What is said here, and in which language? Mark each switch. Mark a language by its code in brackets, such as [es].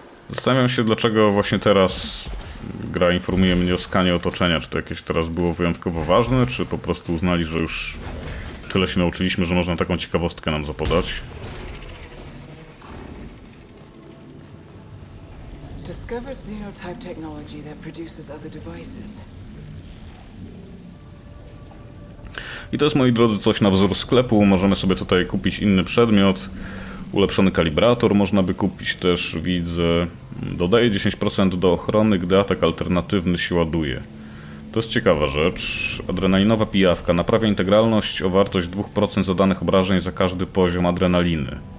[pl] Zastanawiam się, dlaczego właśnie teraz gra informuje mnie o skanie otoczenia. Czy to jakieś teraz było wyjątkowo ważne, czy po prostu uznali, że już tyle się nauczyliśmy, że można taką ciekawostkę nam zapodać. [en] Discovered xenotype technology that produces other devices. [pl] I to jest, moi drodzy, coś na wzór sklepu. Możemy sobie tutaj kupić inny przedmiot. Ulepszony kalibrator można by kupić też, widzę. Dodaje 10% do ochrony, gdy atak alternatywny się ładuje. To jest ciekawa rzecz. Adrenalinowa pijawka naprawia integralność o wartość 2% zadanych obrażeń za każdy poziom adrenaliny.